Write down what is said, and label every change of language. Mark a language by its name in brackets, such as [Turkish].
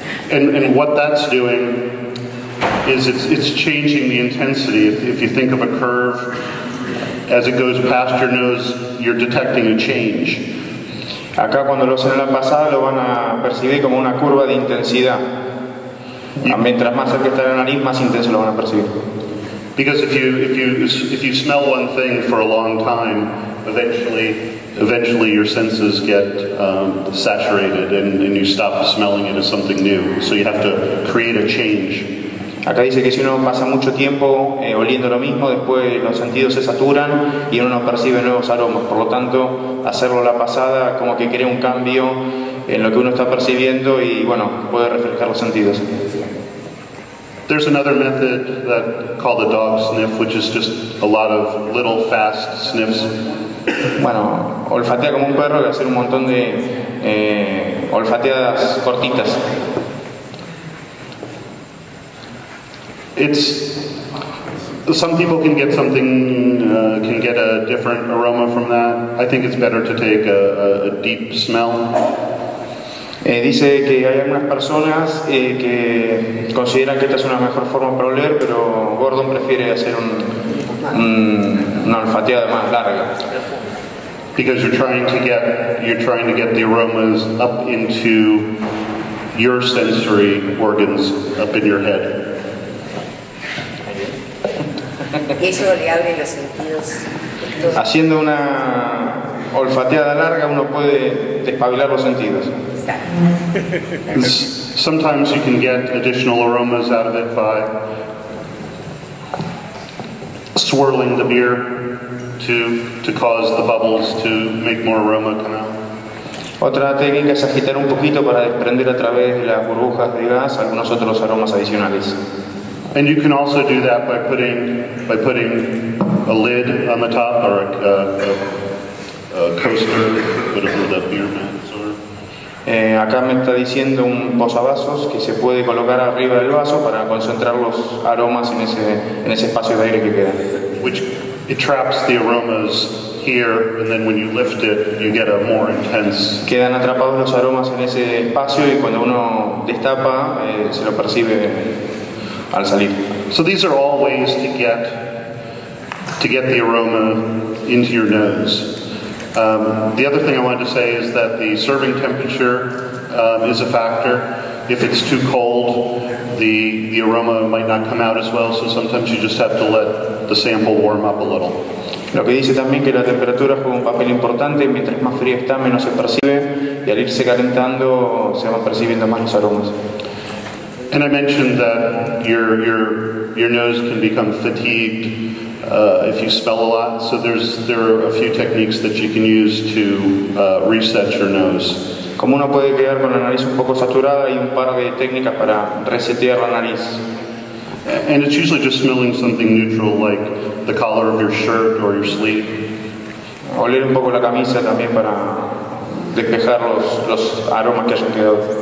[English] And what that's doing is it's changing the intensity. If you think of a curve, as it goes past your nose, you're detecting a change. [Spanish] Acá cuando lo hacen en la pasada lo van a percibir como una curva de intensidad. Mientras más cerca está la nariz, más intenso lo van a percibir. [English] Because if you smell one thing for a long time, eventually your senses get saturated and you stop smelling it as something new. So you have to create a change. [Spanish] Acá dice que si uno pasa mucho tiempo oliendo lo mismo, después los sentidos se saturan y uno no percibe nuevos aromas. Por lo tanto, hacerlo la pasada como que crea un cambio en lo que uno está percibiendo y bueno, puede refrescar los sentidos. [English] There's another method that called the dog sniff, which is just a lot of little fast sniffs. [Spanish] Bueno, olfatea como un perro y hacer un montón de olfateadas cortitas. [English] It's some people can get something can get a different aroma from that. I think it's better to take a deep smell. [Spanish] Dice que hay algunas personas que consideran que esta es una mejor forma para oler, pero Gordon prefiere hacer una olfateada más larga. [English] Because you're trying to get the aromas up into your sensory organs, up in your head. [Spanish] Y eso le abre los sentidos. Entonces, haciendo una olfateada larga, uno puede despabilar los sentidos. Exacto. [English] Sometimes you can get additional aromas out of it by swirling the beer to cause the bubbles to make more aroma come out. [Spanish] Otra técnica es agitar un poquito para desprender a través de las burbujas de gas algunos otros aromas adicionales. [English] And you can also do that by putting a lid on the top or a coaster, whatever the beer mats are. [Spanish] Acá me está diciendo un posavasos que se puede colocar arriba del vaso para concentrar los aromas en ese espacio de aire que queda. [English] Which it traps the aromas here, and then when you lift it, you get a more intense. [Spanish] Quedan atrapados los aromas en ese espacio, y cuando uno destapa, se lo percibe al salir. [English] So these are all ways to get the aroma into your nose. The other thing I wanted to say is that the serving temperature is a factor. If it's too cold, the aroma might not come out as well. So sometimes you just have to let the sample warm up a little. [Spanish] Lo que dice también que la temperatura juega un papel importante. Mientras más fría está, menos se percibe, y al irse calentando se van percibiendo más los aromas. [English] And I mentioned that your nose can become fatigued if you smell a lot. So there are a few techniques that you can use to reset your nose. [Spanish] Como uno puede quedar con la nariz un poco saturada, hay un par de técnicas para resetear la nariz. [English] And it's usually just smelling something neutral, like the collar of your shirt or your sleeve. [Spanish] Oler un poco la camisa también para despejar los aromas que hayan quedado.